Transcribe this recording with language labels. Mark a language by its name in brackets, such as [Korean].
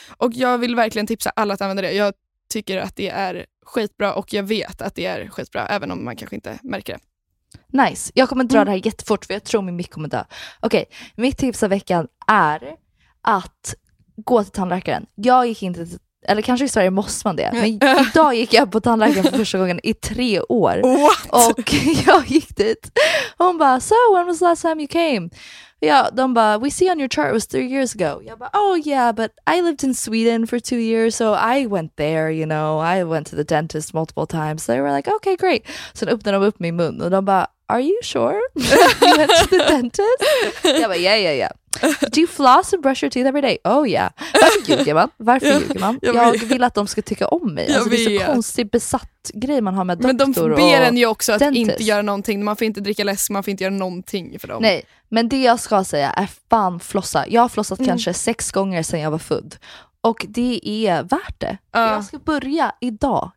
[Swedish] Och jag vill verkligen tipsa alla att använda det. Jag tycker att det är skitbra och jag vet att det är skitbra, även om man kanske inte märker det. [English] Nice. [Swedish] Jag kommer dra det här jättefort, för jag tror min mick kommer dö. Okej, okay. Mitt tips av veckan är att gå till tandläkaren. Jag gick inte till, eller kanske i Sverige måste man det, men idag gick jag på tandläkaren för första gången i 3 år. [English] What? [Swedish] Och jag gick dit. Hon bara, [English] so when was the last time you came? [Swedish] Ja, de bara, [English] we see on your chart it was 3 years ago. [Swedish] Jag bara, [English] oh yeah, but I lived in Sweden for 2 years, so I went there, you know. I went to the dentist multiple times. So they were like, okay, great. [Swedish] Så öppnade de upp min mun och de bara, [English] are you sure you went to the dentist? [Swedish] Jag bara, [English] yeah. Do you floss and brush your teeth every day? Oh yeah. [Swedish] Varför ljuger man? Jag vill att de ska tycka om mig. Alltså, det är så konstigt besatt grej man har med doktor och dentist. Men de ber en ju också att inte göra någonting. Man får inte dricka läsk, man får inte göra någonting för dem. Nej. Men det jag ska säga är fan flossa. Jag har flossat kanske 6 gånger sedan jag var född. Och det är värt det. Jag ska börja idag.